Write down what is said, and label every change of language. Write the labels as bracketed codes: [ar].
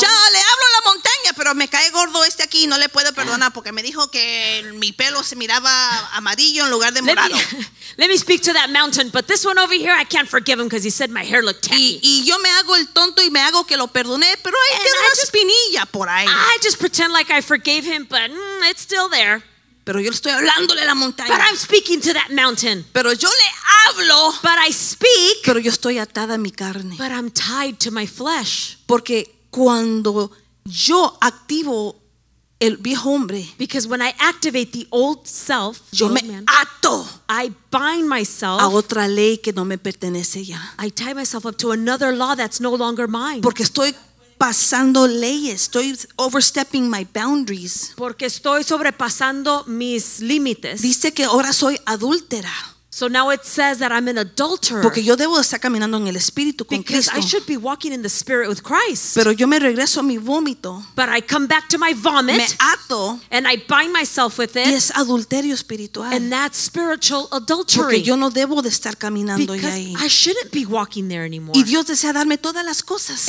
[es] Ya le hablo a la montaña, pero me cae gordo este aquí y no le puedo perdonar porque me dijo que mi pelo se miraba amarillo en lugar de morado. [en] Let me speak to that mountain, but this one over here I can't forgive him because he said my hair looked tacky. [es] Y yo me hago el tonto y me hago que lo perdoné, pero ahí queda una espinilla por ahí. [en] I just pretend like I forgave him, but it's still there. [es] Pero yo estoy hablándole a la montaña. [en] But I'm speaking to that mountain. [es] Pero yo le hablo. [en] But I speak. [es] Pero yo estoy atada a mi carne. [en] But I'm tied to my flesh. [es] Porque cuando yo activo el viejo hombre. [en] Because when I activate the old self. [es] Yo [en] old man, [es] ato. [en] I bind myself. [es] A otra ley que no me pertenece ya. [en] I tie myself up to another law that's no longer mine. [es] Porque estoy pasando leyes, estoy [en] overstepping my boundaries. [es] Porque estoy sobrepasando mis límites. Dice que ahora soy adúltera. [en] So now it says that I'm an adulterer. [es] Porque yo debo estar caminando en el espíritu con Cristo. [en] Because I should be walking in the spirit with Christ. [es] Pero yo me regreso a mi vómito. [en] But I come back to my vomit. [es] Me ato. [en] And I bind myself with it. [es] Y es adulterio espiritual. [en] And that's spiritual adultery. [es] Porque yo no debo de estar caminando ya ahí. [en] Because I shouldn't be walking there anymore. [es] Y Dios desea darme todas las cosas.